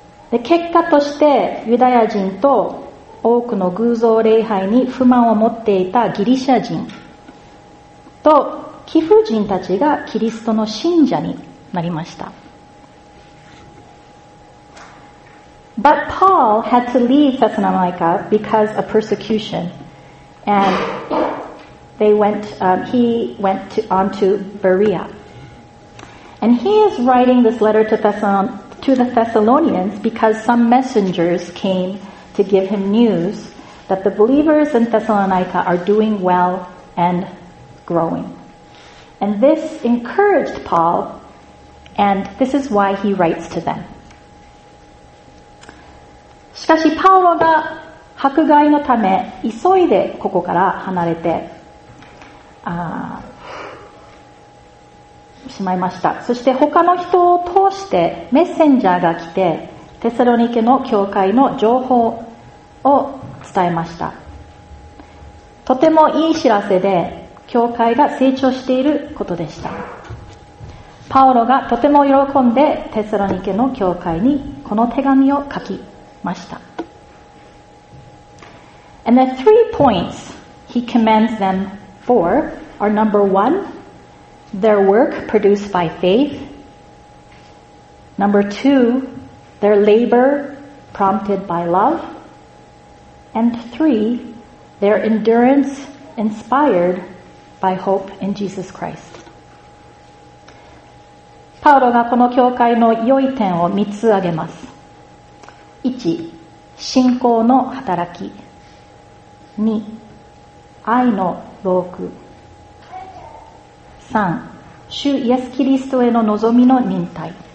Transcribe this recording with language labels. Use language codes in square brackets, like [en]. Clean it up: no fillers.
[ja] で、結果としてユダヤ人と多くの偶像礼拝に不満を持っていたギリシャ人と貴婦人たちがキリストの信者になりました。 [en] But Paul had to leave Thessalonica because of persecution, and he went on to Berea. And he is writing this letter to the Thessalonians because some messengers came to give him news that the believers in Thessalonica are doing well and growing. And this encouraged Paul, and this is why he writes to them. [ja] しかしパウロが迫害のため急いでここから離れてしまいました。そして他の人を通してメッセンジャーが来てテサロニケの教会の情報を伝えました。とてもいい知らせで教会が成長していることでした。パウロがとても喜んでテサロニケの教会にこの手紙を書きました。 [en] And the three points he commends them for are number one, their work produced by faith, number two, their labor prompted by love, and three, their endurance inspired by hope in Jesus Christ. [ja] パウロがこの教会の良い点を3つ挙げます。 1. 信仰の働き 2. 愛の牢獄 3. 主イエスキリストへの望みの忍耐